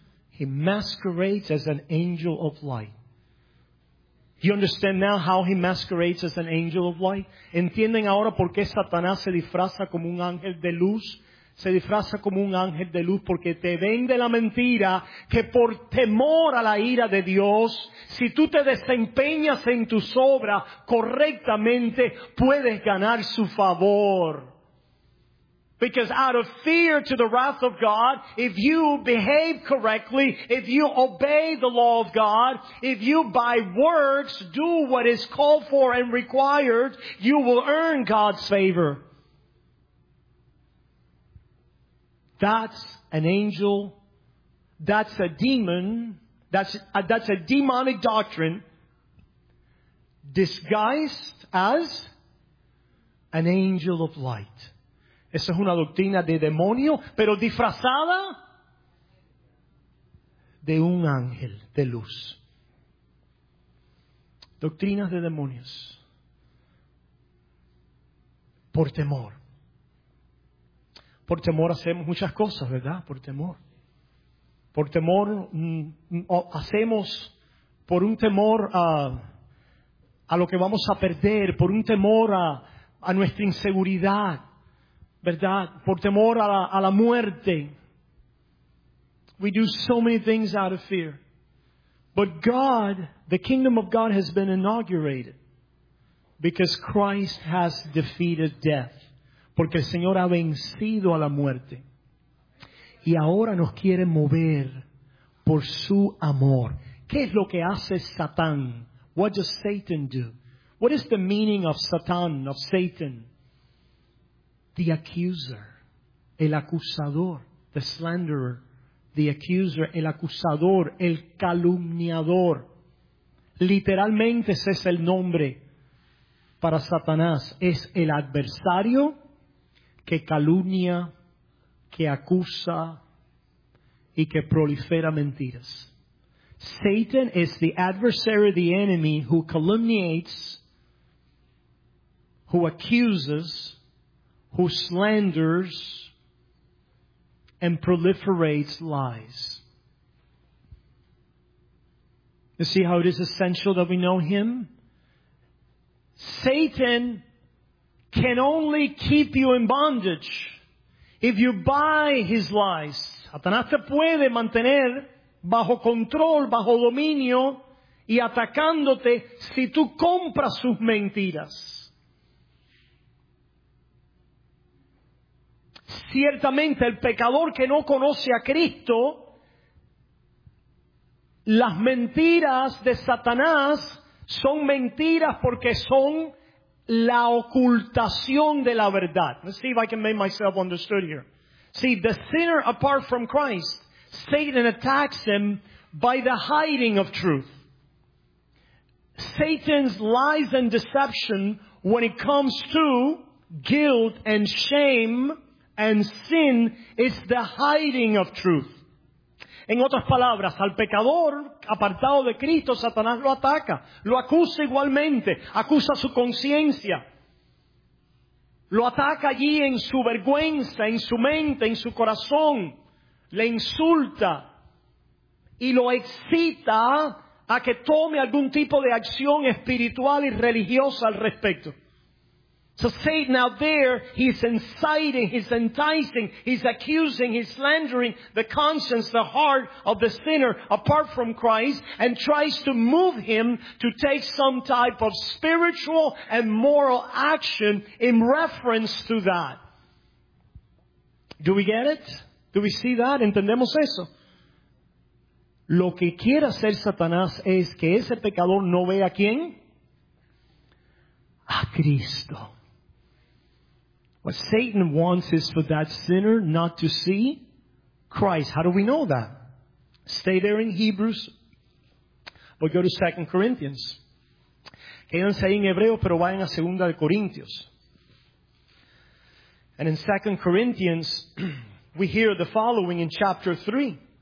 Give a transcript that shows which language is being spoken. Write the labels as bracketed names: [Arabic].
[English] He masquerades as an angel of light. You understand now how he masquerades as an angel of light? [Spanish] ¿Entienden ahora por qué Satanás se disfraza como un ángel de luz? Se disfraza como un ángel de luz porque te vende la mentira que por temor a la ira de Dios, si tú te desempeñas en tus obras correctamente, puedes ganar su favor. [English] Because out of fear to the wrath of God, if you behave correctly, if you obey the law of God, if you by works do what is called for and required, you will earn God's favor. That's an angel. That's a demon. That's a demonic doctrine disguised as an angel of light. [Spanish] Esa es una doctrina de demonio, pero disfrazada de un ángel de luz. Doctrinas de demonios. Por temor. Por temor hacemos muchas cosas, ¿verdad? Por temor. Por temor hacemos, por un temor a lo que vamos a perder, por un temor a nuestra inseguridad. ¿Verdad? Por temor a la muerte. [English] We do so many things out of fear. But God, the kingdom of God has been inaugurated because Christ has defeated death. [Spanish] Porque el Señor ha vencido a la muerte. Y ahora nos quiere mover por su amor. ¿Qué es lo que hace Satán? [English] What does Satan do? What is the meaning of Satán, of Satan? The accuser, [Spanish] el acusador, [English] the slanderer, the accuser, [Spanish] el acusador, el calumniador. Literalmente ese es el nombre para Satanás. Es el adversario que calumnia, que acusa, y que prolifera mentiras. [English] Satan is the adversary, the enemy, who calumniates, who accuses, who slanders, and proliferates lies. You see how it is essential that we know him? Satan can only keep you in bondage if you buy his lies. [Spanish] Satanás te puede mantener bajo control, bajo dominio y atacándote si tú compras sus mentiras. Ciertamente el pecador que no conoce a Cristo, las mentiras de Satanás son mentiras porque son la ocultación de la verdad. [English] Let's see if I can make myself understood here. See, the sinner apart from Christ, Satan attacks him by the hiding of truth. Satan's lies and deception when it comes to guilt and shame and sin is the hiding of truth. [Spanish] En otras palabras, al pecador apartado de Cristo, Satanás lo ataca, lo acusa igualmente, acusa su conciencia. Lo ataca allí en su vergüenza, en su mente, en su corazón. Le insulta y lo excita a que tome algún tipo de acción espiritual y religiosa al respecto. [English] So Satan out there, he's inciting, he's enticing, he's accusing, he's slandering the conscience, the heart of the sinner apart from Christ, and tries to move him to take some type of spiritual and moral action in reference to that. Do we get it? Do we see that? [Spanish] ¿Entendemos eso? Lo que quiere hacer Satanás es que ese pecador no vea a quién? A Cristo. [English] What Satan wants is for that sinner not to see Christ. How do we know that? Stay there in Hebrews. We'll go to 2 Corinthians. [Spanish] Quédense ahí en Hebreos, pero vayan a 2 Corintios. [English] And in 2 Corinthians, we hear the following in chapter 3.